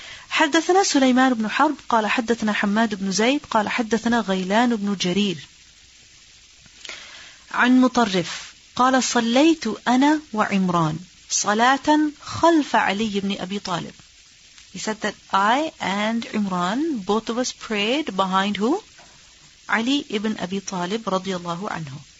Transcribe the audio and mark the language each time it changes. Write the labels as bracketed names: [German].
[Arabic] حَدَّثَنَا سُلَيْمَانُ بْنُ حَرْبٍ قَالَ حَدَّثَنَا حَمَّادُ بْنُ زَيْدٍ قَالَ حَدَّثَنَا غَيْلَانُ بْنُ جَرِيرٍ عَنْ مُطَرِّفٍ قَالَ صَلَّيْتُ أَنَا وَعِمْرَانُ صلاة خلف علي بن أبي طالب. [English] He said that I and Imran, both of us prayed behind who? [Arabic] علي ابن أبي طالب رضي الله عنه.